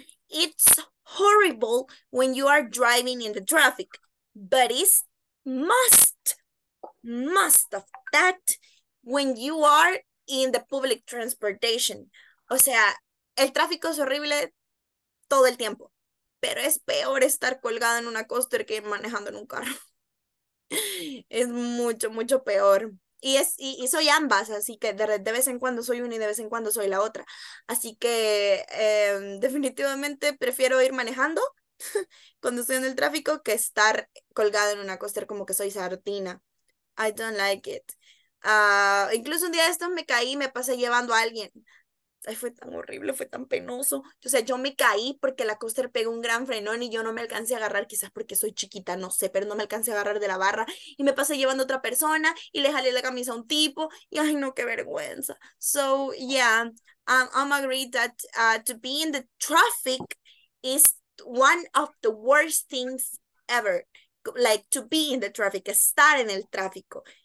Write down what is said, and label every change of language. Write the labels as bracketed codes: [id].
[en] It's horrible when you are driving in the traffic, but it's must of that when you are in the public transportation. [es] O sea, el tráfico es horrible todo el tiempo, pero es peor estar colgada en una coaster que manejando en un carro. Es mucho, mucho peor. Y soy ambas, así que de vez en cuando soy una y de vez en cuando soy la otra. Así que definitivamente prefiero ir manejando cuando estoy en el tráfico que estar colgada en una coaster como que soy sardina. I don't like it. Incluso un día de estos me caí y me pasé llevando a alguien. Ay, fue tan horrible, fue tan penoso. O sea, yo me caí porque la coaster pegó un gran frenón y yo no me alcancé a agarrar, quizás porque soy chiquita, no sé, pero no me alcancé a agarrar de la barra y me pasé llevando a otra persona y le jalé la camisa a un tipo y ay, no, qué vergüenza. [en] So, yeah, I'm agreed that to be in the traffic is one of the worst things ever. Like, to be in the traffic, estar en el tráfico.